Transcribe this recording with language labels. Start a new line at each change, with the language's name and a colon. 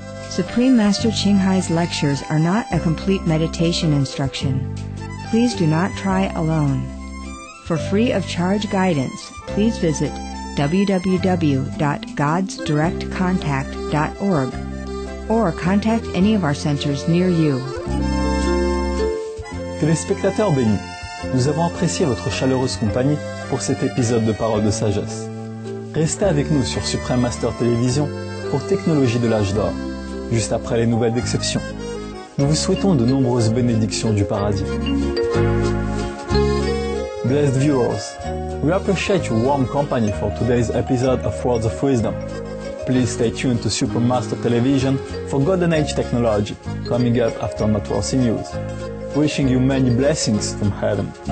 English: Supreme Master Qinghai's lectures are not a complete meditation instruction. Please do not try alone. For free of charge guidance, please visit www.godsdirectcontact.org or contact any of our centers near you.
French: Téléspectateurs bénis, nous avons apprécié votre chaleureuse compagnie pour cet épisode de Paroles de Sagesse. Restez avec nous sur Supreme Master Télévision pour Technologie de l'âge d'or. Juste après les nouvelles d'exception. Nous vous souhaitons de nombreuses bénédictions du paradis.
English: Blessed viewers, we appreciate your warm company for today's episode of Words of Wisdom. Please stay tuned to Supermaster Television for Golden Age Technology, coming up after Networking News. Wishing you many blessings from heaven.